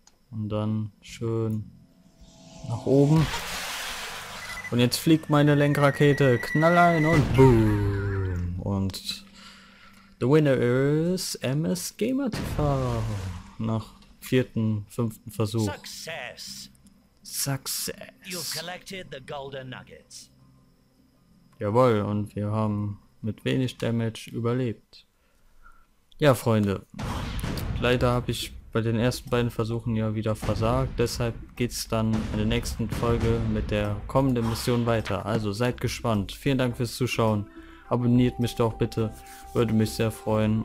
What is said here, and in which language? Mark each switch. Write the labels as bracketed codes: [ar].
[de] Und dann schön nach oben. Und jetzt fliegt meine Lenkrakete knall ein und boom. Und [en] the winner is MS Gamer TV. [de] Nach vierten, fünften Versuch. [en] Success. Success. You've collected the golden nuggets. [de] Jawohl, und wir haben mit wenig Damage überlebt. Ja, Freunde. Leider habe ich bei den ersten beiden Versuchen ja wieder versagt. Deshalb geht's dann in der nächsten Folge mit der kommenden Mission weiter. Also seid gespannt. Vielen Dank fürs Zuschauen. Abonniert mich doch bitte, würde mich sehr freuen.